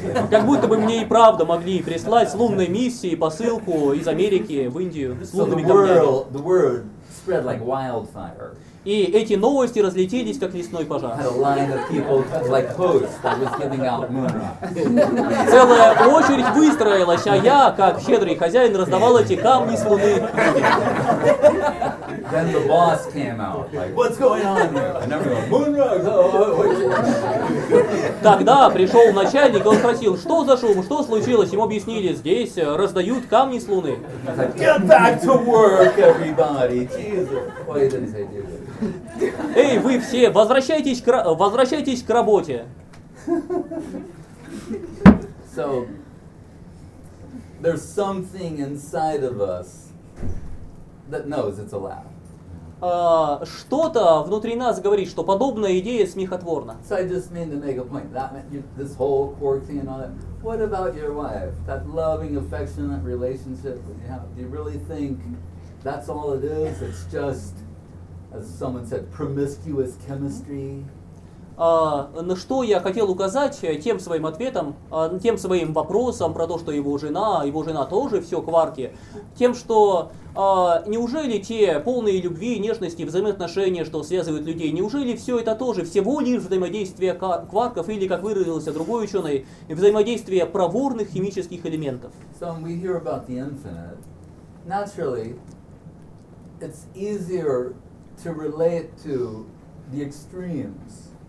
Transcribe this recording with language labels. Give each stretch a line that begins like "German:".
Russian: Как будто бы мне и правда могли прислать с лунной миссии посылку из Америки в Индию с лунными камнями. И эти новости разлетелись, как лесной пожар. Целая очередь выстроилась, а я, как щедрый хозяин, раздавал эти камни с Луны.
English: Then the boss came out, like, what's going on here? And everyone, moon rocks,
Russian: Тогда пришел начальник, он спросил, что за шум, что случилось? Ему объяснили, здесь раздают камни с Луны.
English: Like, get back to work, everybody, Jesus.
Russian: Эй, вы все, возвращайтесь к работе.
English: So, there's something inside of us that knows it's a lie.
Russian: Что-то внутри нас говорит, что подобная идея смехотворна.
English: So I just mean to make a point. This whole quarantine and all that. What about your wife? That loving, affectionate relationship that you have. Do you really think that's all it is? It's just, as someone said, promiscuous chemistry?
Russian: На что я хотел указать тем своим ответом, тем своим вопросом про то, что его жена тоже все кварки, тем, что неужели те полные любви, нежности, взаимоотношения, что связывают людей, неужели все это тоже всего лишь взаимодействие кварков или, как выразился другой ученый, взаимодействие проворных химических элементов?
English: So when we hear about the infinite, naturally, it's easier to relate to the extremes.